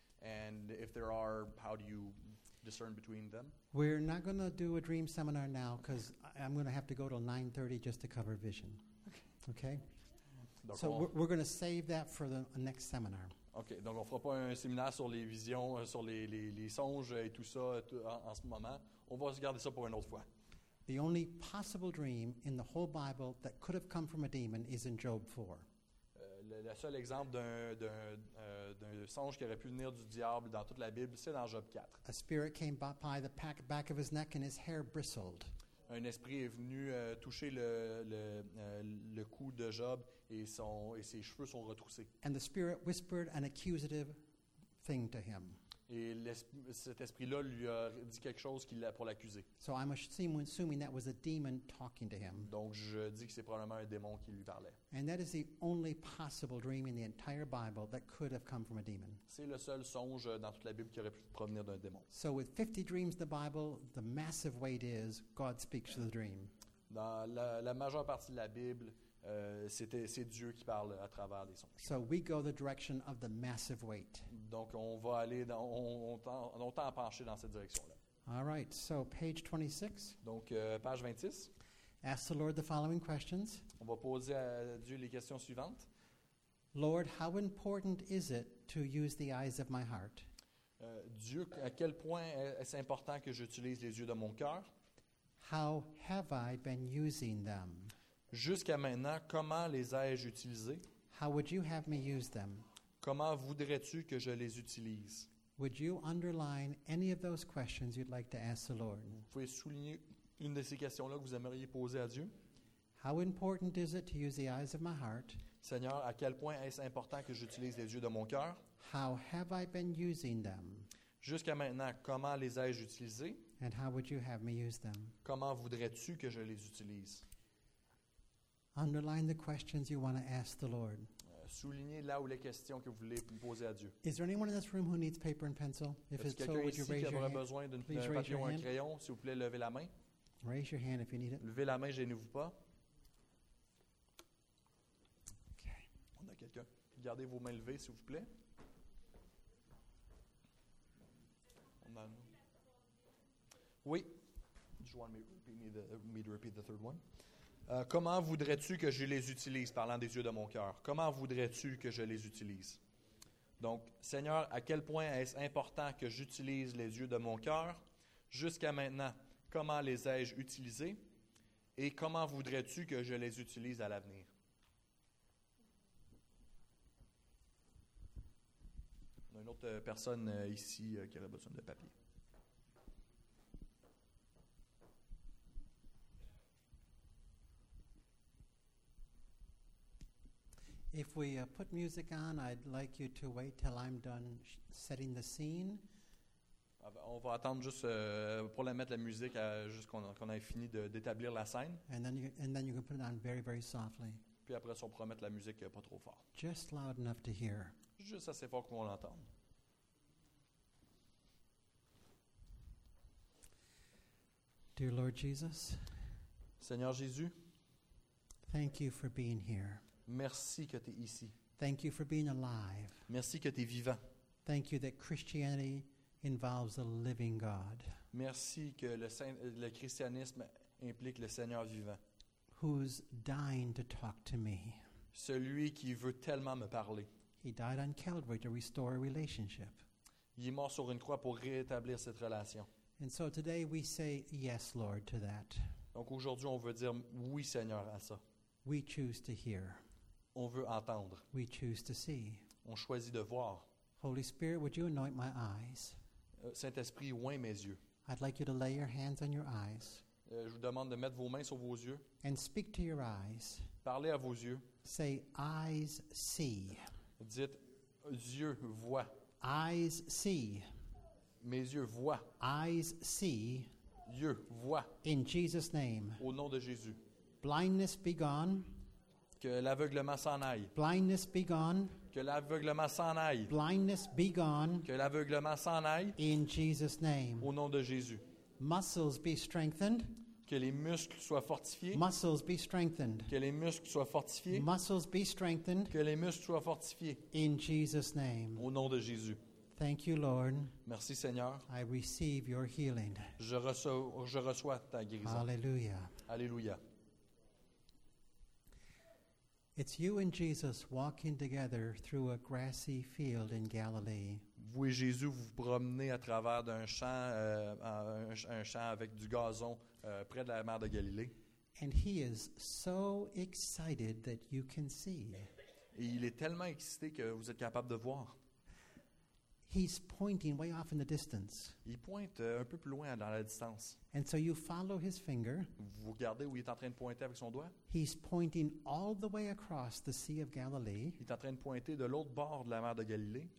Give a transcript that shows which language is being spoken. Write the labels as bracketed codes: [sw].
[en] And if there are, how do you discern between them? We're not going to do a dream seminar now because I'm going to have to go till 9:30 just to cover vision. Okay? [fr] D'accord. [en] So we're going to save that for the next seminar. [fr] Okay, donc on fera pas un séminaire sur les visions, sur les songes et tout ça en ce moment. On va se garder ça pour une autre fois. [en] The only possible dream in the whole Bible that could have come from a demon is in Job 4. [fr] Le seul exemple d'un songe qui aurait pu venir du diable dans toute la Bible, c'est dans Job 4. [en] A spirit came by the back of his neck and his hair bristled. [fr] Un esprit est venu toucher le cou de Job et ses cheveux sont retroussés. [en] And the spirit whispered an accusative thing to him. [fr] Et cet esprit-là lui a dit quelque chose qui l'a pour l'accuser. [en] So I'm assuming that was a demon talking to him. [fr] Donc je dis que c'est probablement un démon qui lui parlait. [en] And that is the only possible dream in the entire Bible that could have come from a demon. [fr] C'est le seul songe dans toute la Bible qui aurait pu provenir d'un démon. [en] So with 50 dreams in the Bible, the massive weight is God speaks to the dream. [fr] Dans la majeure partie de la Bible, c'est Dieu qui parle à travers les songes. [en] So we go the direction of the massive weight. [fr] Donc on va aller on tend à pencher dans cette direction-là. [en] All right, so page 26. [fr] Donc page 26. [en] Ask the Lord the following questions. [fr] On va poser à Dieu les questions suivantes. [en] Lord, how important is it to use the eyes of my heart? [fr] Dieu, à quel point est-ce important que j'utilise les yeux de mon cœur? [en] How have I been using them? [fr] Jusqu'à maintenant, comment les ai-je utilisés? [en] How would you have me use them? [fr] Comment voudrais-tu que je les utilise? [en] Would you underline any of those questions you'd like to ask the Lord? [fr] Vous pouvez souligner une de ces questions-là que vous aimeriez poser à Dieu. [en] How important is it to use the eyes of my heart? [fr] Seigneur, à quel point est-ce important que j'utilise les yeux de mon cœur? [en] How have I been using them? [fr] Jusqu'à maintenant, comment les ai-je utilisés? [en] And how would you have me use them? [fr] Comment voudrais-tu que je les utilise? [en] Underline the questions you want to ask the Lord. [fr] Souligner là où les questions que vous voulez poser à Dieu. [en] Is there anyone in this room who needs paper and pencil? If it's so, would you raise your hand? [fr] Besoin d'un papier ou un crayon, s'il vous plaît, levez la main. [en] Raise your hand if you need it. [fr] Levez la main, gênez-vous pas. [en] Okay. [fr] On a quelqu'un. Gardez vos mains levées, s'il vous plaît. On a. Oui. [en] Do you want me to repeat the third one? [fr] Comment voudrais-tu que je les utilise, parlant des yeux de mon cœur? Comment voudrais-tu que je les utilise? Donc, Seigneur, à quel point est-ce important que j'utilise les yeux de mon cœur? Jusqu'à maintenant, comment les ai-je utilisés? Et comment voudrais-tu que je les utilise à l'avenir? On a une autre personne ici qui aurait besoin de papier. [en] If we put music on, I'd like you to wait till I'm done setting the scene. [fr] On va attendre juste pour la mettre la musique jusqu'qu'on ait fini d'établir la scène. [en] And then you can put it on very, very softly. [fr] Puis après, on pourra mettre la musique pas trop fort. [en] Just loud enough to hear. [fr] Juste assez fort qu'on l'entende. [en] Dear Lord Jesus. [fr] Seigneur Jésus. [en] Thank you for being here. [fr] Merci que tu es ici. [en] Thank you for being alive. [fr] Merci que tu es vivant. [en] Thank you that Christianity involves a living God. [fr] Merci que le christianisme implique le Seigneur vivant. [en] Who's dying to talk to me. [fr] Celui qui veut tellement me parler. [en] He died on Calvary to restore a relationship. [fr] Il est mort sur une croix pour rétablir cette relation. [en] And so today we say yes, Lord, to that. [fr] Donc aujourd'hui, on veut dire oui, Seigneur, à ça. [en] We choose to hear. [fr] On veut entendre. [en] We choose to see. [fr] On choisit de voir. [en] Holy Spirit, would you anoint my eyes? [fr] Saint-Esprit, oint mes yeux. [en] I'd like you to lay your hands on your eyes. [fr] Je vous demande de mettre vos mains sur vos yeux. [en] And speak to your eyes. [fr] Parlez à vos yeux. [en] Say, eyes see. [fr] Dites, yeux voient. [en] Eyes see. [fr] Mes yeux voient. [en] Eyes see. [fr] Yeux voient. [en] In Jesus' name. [fr] Au nom de Jésus. [en] Blindness be gone. [fr] Que l'aveuglement s'en aille. [en] Blindness be gone. [fr] Que l'aveuglement s'en aille. [en] Blindness be gone. [fr] Que l'aveuglement s'en aille. [en] In Jesus' name. [fr] Au nom de Jésus. [en] Muscles be strengthened. [fr] Que les muscles soient fortifiés. [en] Muscles be strengthened. [fr] Que les muscles soient fortifiés. [en] Muscles be strengthened. [fr] Que les muscles soient fortifiés. [en] In Jesus' name. [fr] Au nom de Jésus. [en] Thank you, Lord. [fr] Merci, Seigneur. [en] I receive your healing. [fr] Je reçois ta guérison. Alléluia. Alléluia. [en] It's you and Jesus walking together through a grassy field in Galilee. [fr] Vous et Jésus vous promenez à travers d'un champ, un champ avec du gazon près de la mer de Galilée. [en] And he is so excited that you can see. [fr] Et il est tellement excité que vous êtes capable de voir. [en] He's pointing way off in the distance. [fr] Il pointe un peu plus loin dans la distance. [en] And so you follow his finger. [fr] Vous regardez où il est en train de pointer avec son doigt. [en] He's pointing all the way across the Sea of Galilee. [fr] Il est en train de pointer de l'autre bord de la mer de Galilée.